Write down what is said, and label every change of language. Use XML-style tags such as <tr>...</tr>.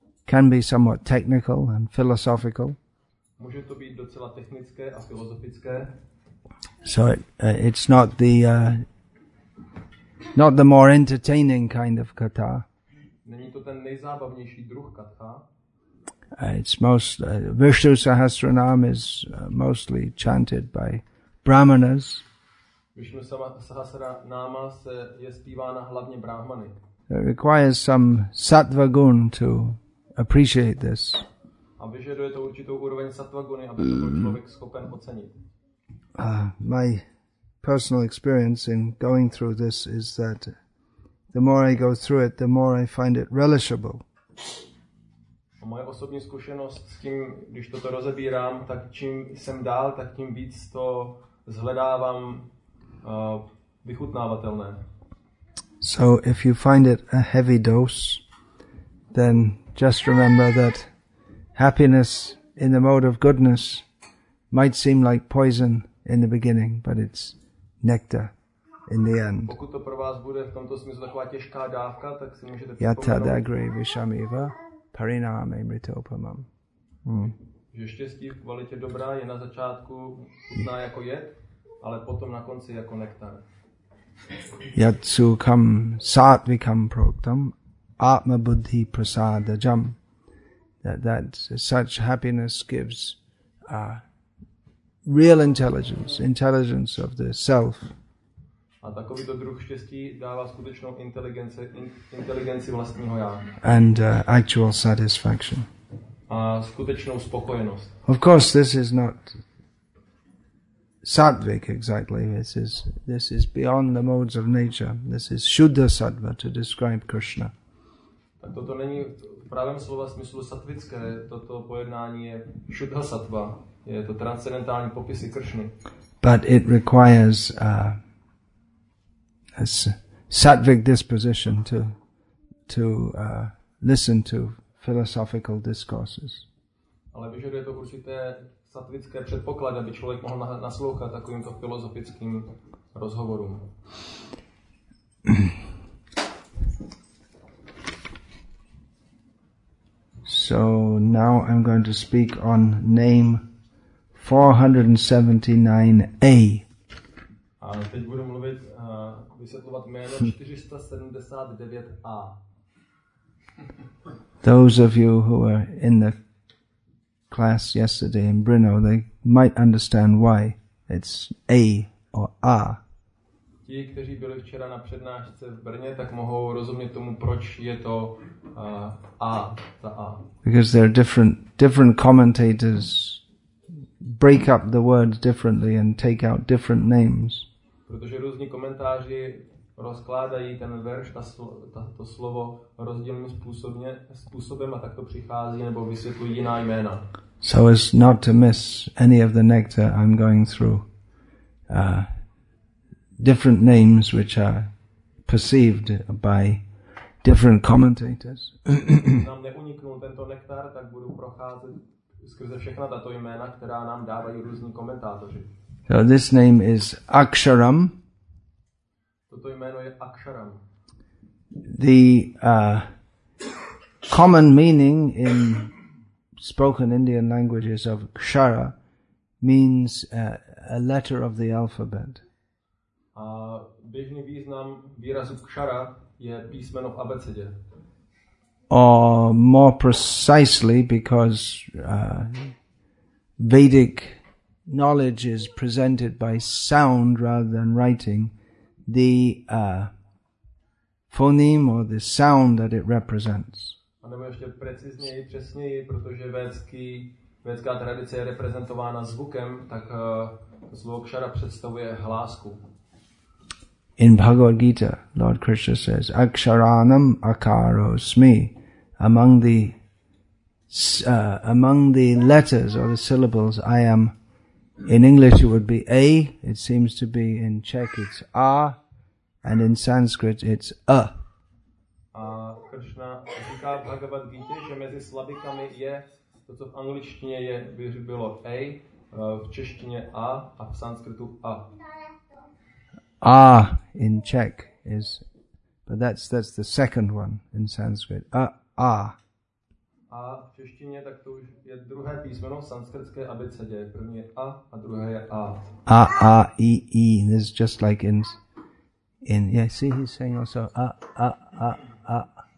<en>Can be somewhat technical and philosophical.</en> <cs>Může to být docela technické a filozofické.</cs> <en>So it's not the more entertaining kind of katha.</en> <cs>Není to ten nejzábavnější druh katha.</cs> <en>Vishnu Sahasranam is mostly chanted by brahmanas.</en> <cs>Vishnu Sahasranama je zpívána hlavně brahmany.</cs> <en>It requires some sattva gun to appreciate this.</en> <cs>A vyžaduje to určitou úroveň sattva guny, aby to byl člověk schopen ocenit.</cs> <en>My personal experience in going through this is that the more I go through it, the more I find it relishable.</en> <cs>A moje osobní zkušenost s tím, když toto rozebírám, tak čím jsem dál, tak tím víc to zhledávám vychutnávatelné.</cs> <en>So if you find it a heavy dose, then just remember that happiness in the mode of goodness might seem like poison in the beginning, but it's nectar in the end.</en> <cs>Pokud to pro vás bude v tomto smyslu taková těžká dávka, tak si můžete připomenout.</cs> <sa>Yatad agri vishamiva pariname mritopamam.</sa> <cs>Že štěstí v kvalitě dobrá je na začátku chutná jako jed, ale potom na konci jako nektar.</cs> <sa>Yat sukham sattvikam proktam Atma Buddhi Prasada Jam.</sa> <en>That such happiness gives real intelligence of the self.</en> <cs>A takovýto druh štěstí dává skutečnou inteligenci vlastního já.</cs> <en>And actual satisfaction.</en> <cs>A skutečnou spokojenost.</cs> <en>Of course, this is not sattvic exactly. This is beyond the modes of nature. This is Shuddha Sattva to describe Krishna.</en> <cs>Toto není v pravém slova smyslu sattvické, toto pojednání je šuddha sattva, je to transcendentální popisy Kršny.</cs> <en>But it requires a sattvic disposition to listen to philosophical discourses.</en> <cs>Ale vyžaduje to určité sattvické předpoklady, aby člověk mohl naslouchat takovýmto filozofickým rozhovorům.</cs> <en>So now I'm going to speak on name 479A.</en> <cs>A teď budu mluvit, vysvětlovat jméno 479A.</cs> <en>Those of you who were in the class yesterday in Brno, they might understand why it's A or A.</en> <cs>Ti, kteří byli včera na přednášce v Brně, tak mohou rozumět tomu, proč je to A.</cs> <en>Because there are different commentators break up the words differently and take out different names.</en> <cs>Protože různí komentáři rozkládají ten verš, to slovo rozdílným způsobem a tak to přichází nebo vysvětlují jiná jména.</cs> <en>So as not to miss any of the nectar I'm going through. Different names which are perceived by different commentators.</en> <cs>Nám neuniknul tento nektar, tak budu procházet skrze všechna tato jména, která nám dávají různí komentátoři.</cs> <en>So this name is Aksharam.</en> <cs>Toto jméno je Aksharam.</cs> <en>The common meaning in spoken Indian languages of Kshara means a letter of the alphabet.</en> <cs>A běžný význam výrazu kšara je písmeno v abecedě.</cs> <en>or more precisely, because Vedic knowledge is presented by sound rather than writing, the phoneme or the sound that it represents.</en> <cs>A nebo ještě precizněji, přesněji, protože vědecká tradice je reprezentována zvukem, tak zvuk kšara představuje hlásku.</cs> <en>In Bhagavad Gita, Lord Krishna says,</en> <sa>"Aksharanam akarosmi."</sa> <en>Among the letters or the syllables, I am. In English, it would be A. It seems to be in Czech, it's A, and in Sanskrit, it's A.</en> <cs>A Krishna říká v Bhagavad Gita, že mezi slabikami je to, co v angličtině je bylo A, v češtině A, a v sanskritu A.</cs> <en>Ah, in Czech is, but that's the second one in Sanskrit. Ah.</en> <cs>A v češtině tak to už je druhé písmeno v sanskritské abecedě. První je A a druhé je A. A, A, E, E.</cs> <en>This is just like in, yeah, see, he's saying also A, A, A, A.</en>